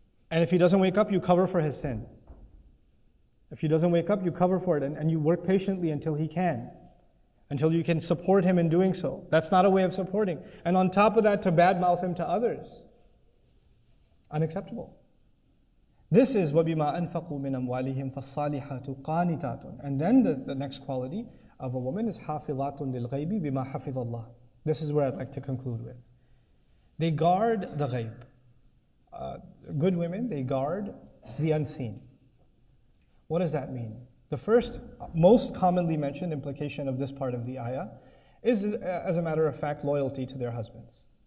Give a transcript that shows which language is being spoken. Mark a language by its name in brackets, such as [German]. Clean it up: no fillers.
[English] And if he doesn't wake up, you cover for his sin. If he doesn't wake up, you cover for it and you work patiently until he can. until you can support him in doing so. That's not a way of supporting. And on top of that, to badmouth him to others. Unacceptable. This is [Arabic] وَبِمَا أَنْفَقُوا مِنْ أَمْوَالِهِمْ فَالصَّالِحَاتُ قَانِتَاتٌ. [English] And then the next quality of a woman is [Arabic] حَافِظَاتٌ لِلْغَيْبِ بِمَا حَفِظَ اللَّهِ. [English] This is where I'd like to conclude with. They guard the ghayb. Good women, they guard the unseen. What does that mean? The first, most commonly mentioned implication of this part of the ayah is, as a matter of fact, loyalty to their husbands.